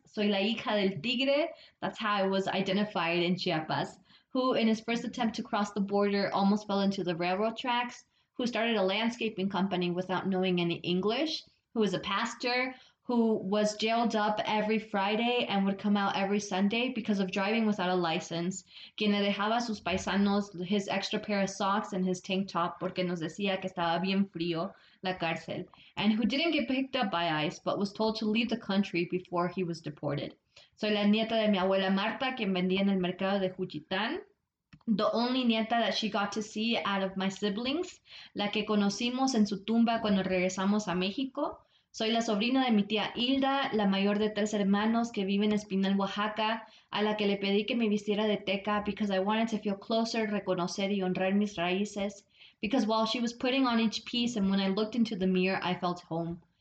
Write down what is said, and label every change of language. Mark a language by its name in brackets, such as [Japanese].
[Spanish] Soy la hija del tigre, [English] that's how I was identified in Chiapas, who in his first attempt to cross the border almost fell into the railroad tracks, who started a landscaping company without knowing any English, who was a pastor, who was jailed up every Friday and would come out every Sunday because of driving without a license. [Spanish] Quien le dejaba a sus paisanos [English] his extra pair of socks and his tank top [Spanish] porque nos decía que estaba bien frío la cárcel. [English] And who didn't get picked up by ICE but was told to leave the country before he was deported. [Spanish] Soy la nieta de mi abuela Marta, quien vendía en el mercado de Juchitán. [English] The only nieta that she got to see out of my siblings. [Spanish] La que conocimos en su tumba cuando regresamos a México. Soy la sobrina de mi tía Hilda, la mayor de tres hermanos que vive en Espinal, Oaxaca, a la que le pedí que me vistiera de teca [English] because I wanted to feel closer, [Spanish] reconocer y honrar mis raíces, [English] because while she was putting on each piece and when I looked into the mirror, I felt home.